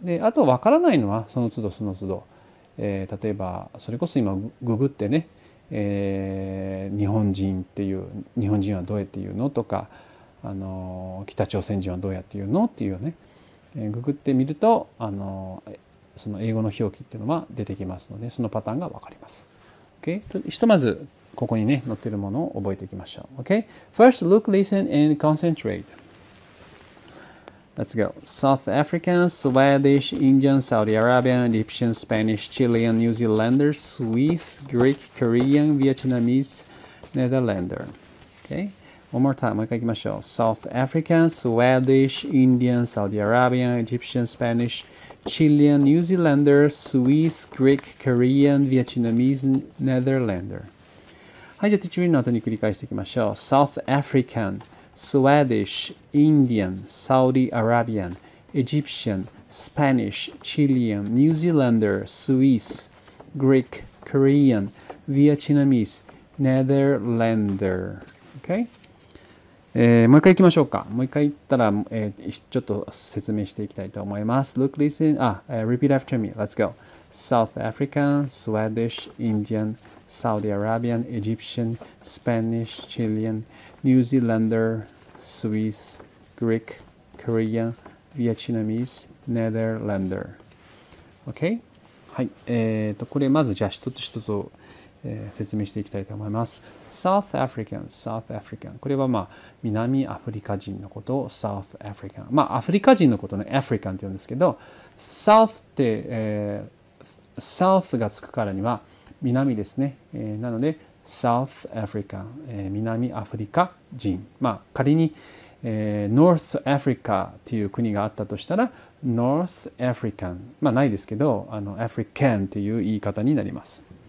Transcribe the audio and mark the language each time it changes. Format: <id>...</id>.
<ja>であと分からないのはその都度その都度、例えばそれこそ今ググってね、日本人っていう、日本人はどうやって言うのとか、北朝鮮人はどうやって言うのっていうね、ググってみると、その英語の表記っていうのは出てきますので、そのパターンが分かります。 OK、 ひとまずここにね、載ってるものを覚えていきましょう。</ja> <en>OK、 First look, listen and concentrateLet's go. South African, Swedish, Indian, Saudi Arabian, Egyptian, Spanish, Chilean, New Zealander, Swiss, Greek, Korean, Vietnamese, Netherlander. Okay. One more time.</en> <ja>もう一回いきましょう。</ja> <en>South African, Swedish, Indian, Saudi Arabian, Egyptian, Spanish, Chilean, New Zealander, Swiss, Greek, Korean, Vietnamese, Netherlander.</en> <ja>はい、じゃあ、1ミリの後に繰り返していきましょう。</ja> <en>South African. Swedish, Indian, Saudi Arabian, Egyptian, Spanish, Chilean, New Zealander, Swiss, Greek, Korean, Vietnamese, Netherlander. Okay?</en> <ja>もう一回行きましょうか。もう一回行ったら、ちょっと説明していきたいと思います。</ja> <en>Look, listen, repeat after me. Let's go. South African, Swedish, Indian, Saudi Arabian, Egyptian, Spanish, Chilean, New Zealander,Swiss, Greek, Korean, Vietnamese, Netherlander. OK? はい。</en> <ja>これまずじゃあ一つ一つを、説明していきたいと思います。</ja> <en>South African, South African.</en> <ja>これは南アフリカ人のことを South African。アフリカ人のことね、African って言うんですけど、South って、South がつくからには南ですね。なので、South Africa、南アフリカ人、仮に、North Africa っていう国があったとしたら North African、ないですけど、African っていう言い方になります。</ja>